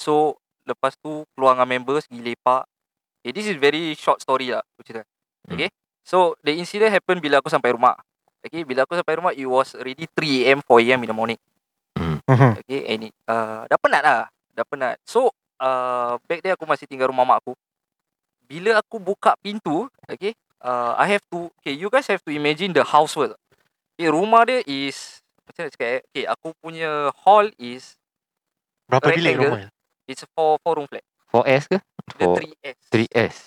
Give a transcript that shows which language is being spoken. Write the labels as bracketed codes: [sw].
[ms] So lepas tu keluar dengan members, pergi lepak. [en] Okay, this is very short story [ms] lah aku cerita. [en] Okay. So the incident happened [ms] bila aku sampai rumah. [en] Okay, bila aku sampai rumah, it was already 3am, 4am in the morning. Okay, and it, [ms] dah penat. [en] So back then [ms] aku masih tinggal rumah mak aku. Bila aku buka pintu, [en] okay, you guys have to imagine the house first. [ms] Okay, rumah dia is, macam mana cakap, okay, aku punya [en] hall is [ms] berapa rectangle. Bilik rumah? [en] It's a four room flat. [ms] 4S ke? [en] The 3S.